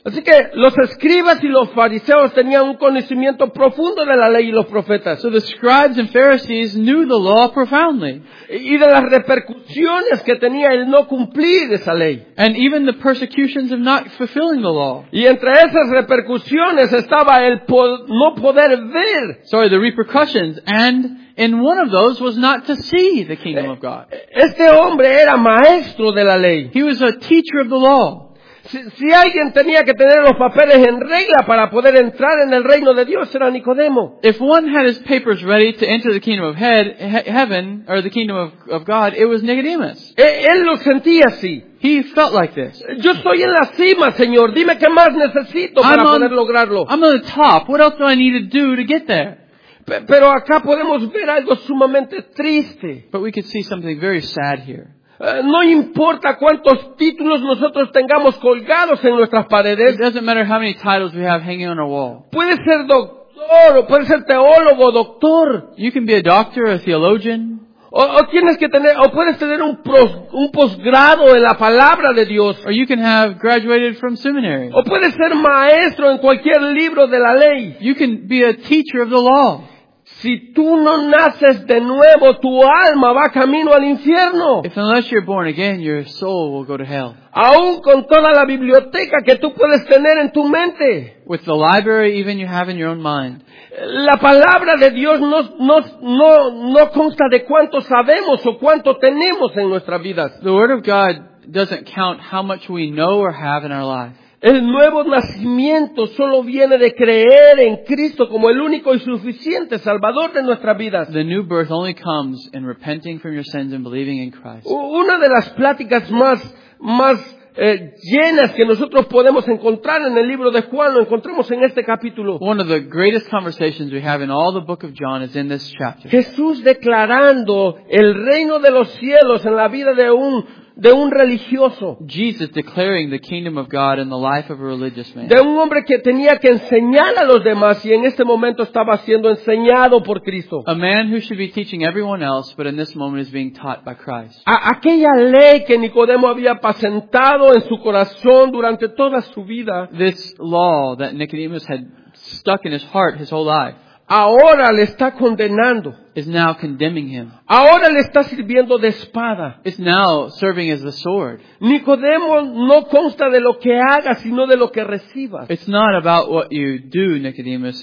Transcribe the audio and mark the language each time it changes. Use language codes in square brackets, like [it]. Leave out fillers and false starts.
[es] Así que los escribas y los fariseos tenían un conocimiento profundo de la ley y los profetas. [en] So the scribes and Pharisees knew the law profoundly. [es] Y de las repercusiones que tenía el no cumplir esa ley. [en] And even the persecutions of not fulfilling the law. [es] Y entre esas repercusiones estaba el no poder ver. [en] Sorry, the repercussions and and one of those was not to see the kingdom of God. [es] Este hombre era maestro de la ley. [en] He was a teacher of the law. [es] Si alguien tenía que tener los papeles en regla para poder entrar en el reino de Dios, era Nicodemo. [en] If one had his papers ready to enter the kingdom of heaven, or the kingdom of God, it was Nicodemus. [es] Él lo sentía así. [en] He felt like this. [es] Yo estoy en la cima, Señor. Dime qué más necesito para poder lograrlo. [en] I'm on the top. What else do I need to do to get there? [es] Pero acá podemos ver algo sumamente triste. [en] But we could see something very sad here. [es] No importa cuántos títulos nosotros tengamos colgados en nuestras paredes. [en] It doesn't matter how many titles we have hanging on our wall. [es] Puede ser doctor o puede ser teólogo, doctor. [en] You can be a doctor, a theologian. [es] O tienes que tener, o puedes tener un posgrado en la palabra de Dios. [en] Or you can have graduated from seminary. [es] O puedes ser maestro en cualquier libro de la ley. [en] You can be a teacher of the law. [es] Si tú no naces de nuevo, tu alma va camino al infierno. [en] If unless you're born again, your soul will go to hell. [es] Aún con toda la biblioteca que tú puedes tener en tu mente. [en] With the library even you have in your own mind. [es] La palabra de Dios no consta de cuánto sabemos o cuánto tenemos en nuestras vidas. [en] The word of God doesn't count how much we know or have in our lives. [es] El nuevo nacimiento solo viene de creer en Cristo como el único y suficiente Salvador de nuestras vidas. [en] The new birth only comes in repenting from your sins and believing in Christ. [es] Una de las pláticas más llenas que nosotros podemos encontrar en el libro de Juan lo encontramos en este capítulo. [en] One of the greatest conversations we have in all the book of John is in this chapter. [es] Jesús declarando el reino de los cielos en la vida de un religioso. [en] Jesus declaring the kingdom of God in the life of a religious man. [es] De un hombre que tenía que enseñar a los demás y en este momento estaba siendo enseñado por Cristo. [en] A man who should be teaching everyone else, but in this moment is being taught by Christ. [es] Aquella ley que Nicodemo había apacentado en su corazón durante toda su vida. [en] This law that Nicodemus had stuck in his heart his whole life. [es] Ahora le está condenando. [en] is now condemning him. [es] Ahora le está sirviendo de espada. [en] It's now serving as the sword. [es] Nicodemo no consta de lo que haga, sino de lo que reciba. [en] It's not about what you do, Nicodemus.